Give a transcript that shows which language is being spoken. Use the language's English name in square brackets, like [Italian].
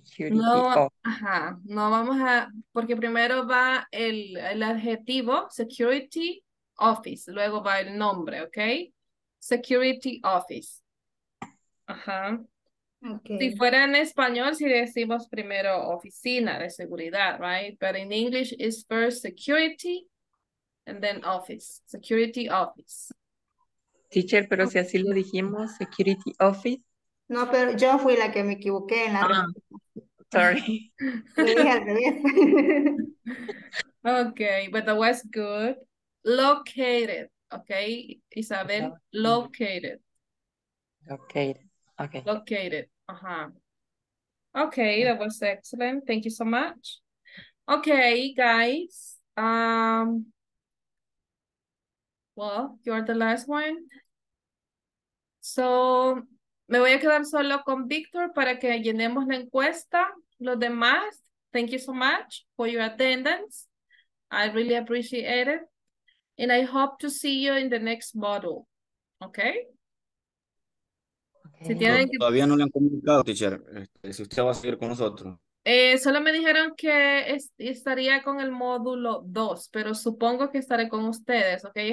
[Spanish] No vamos a, porque primero va el adjetivo, security office, luego va el nombre, ok? [English] Security office. Ajá. Okay. [Spanish] Si fuera en español, si decimos primero oficina de seguridad, right? [English] But in English, it's first security and then office, security office. [Spanish] Teacher, pero okay. Si así lo dijimos, security office. No, pero yo fui la que me equivoqué en la... [English] Sorry. Okay, but that was good. Located, okay, Isabel, located. Located, uh-huh. Okay, that was excellent. Thank you so much. Okay, guys. Well, you're the last one. [Spanish] So, me voy a quedar solo con Victor para que llenemos la encuesta. Los demás, [English] thank you so much for your attendance. I really appreciate it. And I hope to see you in the next module. Okay? [Spanish] Okay. Si tienen que... Todavía no le han comunicado, teacher, si usted va a seguir con nosotros. Solo me dijeron que estaría con el módulo 2, pero supongo que estaré con ustedes, okay?